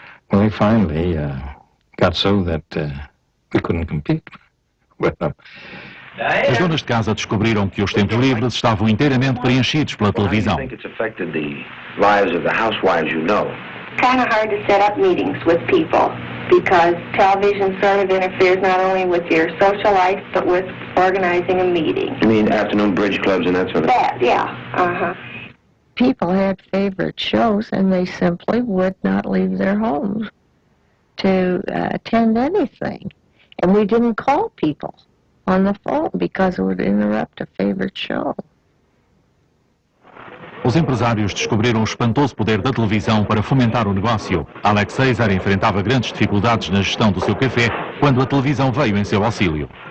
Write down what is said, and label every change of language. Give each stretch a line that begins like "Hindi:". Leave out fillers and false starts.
English: Well, we finally got so that we couldn't compete. Well,
Portuguese: as donas de casa descobriram que os tempos livres estavam inteiramente preenchidos pela televisão.
English: Well, I think it's affected the lives of the housewives, you know. Kind of hard to set up meetings with people because television sort of interferes not only with your social life but with organizing a meeting. You mean afternoon bridge clubs and that sort of thing? That, yeah. Uh-huh. People had favorite shows and they simply would not leave their homes to attend anything. And we didn't call people on the phone because it would interrupt a favorite show.
Portuguese: Os empresários descobriram o espantoso poder da televisão para fomentar o negócio. Alex Caesar enfrentava grandes dificuldades na gestão do seu café quando a televisão veio em seu auxílio.